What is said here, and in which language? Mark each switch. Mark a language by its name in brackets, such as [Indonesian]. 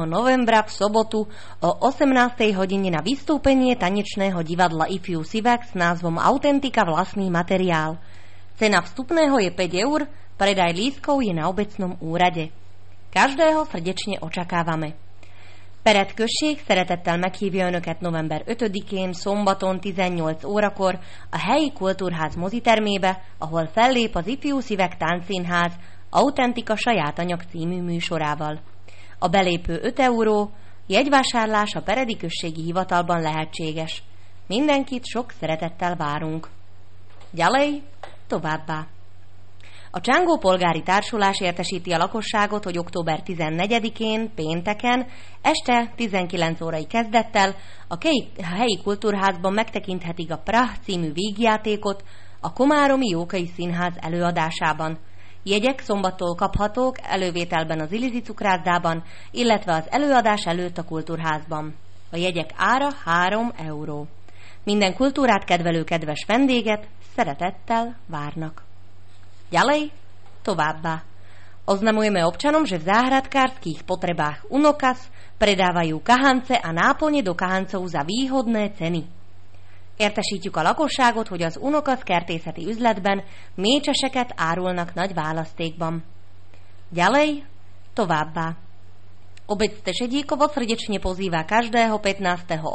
[Slovak] novembra v sobotu o 18. hodine na vystúpenie tanečného divadla If You Sivak s názvom Autentika vlastný materiál. Cena vstupného je 5 eur, predaj lístkov je na obecnom úrade. Každého srdečne očakávame. [Hungarian] Peret kösség, szeretettel meghívja Önöket november 5-én, szombaton 18 órakor a helyi kultúrház mozitermébe, ahol fellép az Ifjú Szívek Táncszínház Autentika saját anyag című műsorával. A belépő 5 euró, jegyvásárlás a peredi községi hivatalban lehetséges. Mindenkit sok szeretettel várunk. Gyalej, továbbá! A Csángó Polgári Társulás értesíti a lakosságot, hogy október 14-én, pénteken, este 19 órai kezdettel a helyi kultúrházban megtekinthetik a Prah című vígjátékot a Komáromi Jókai Színház előadásában. Jegyek szombattól kaphatók elővételben az Ilizi cukrászdában, illetve az előadás előtt a kultúrházban. A jegyek ára 3 euró. Minden kultúrát kedvelő kedves vendéget szeretettel várnak. [Slovak] Ďalej, [Hungarian] továbbá. [Slovak] Oznamujeme občanom, že v záhradkárskych potrebách Unokas predávajú kahance a náplne do kahancov za výhodné ceny. [Hungarian] Értesítjük a lakosságot, hogy az Unokas kertészeti üzletben mécseseket árulnak nagy választékban. [Slovak] Ďalej, [Hungarian] továbbá. [Slovak] Obec Tešedíkovo srdečne pozýva každého 15.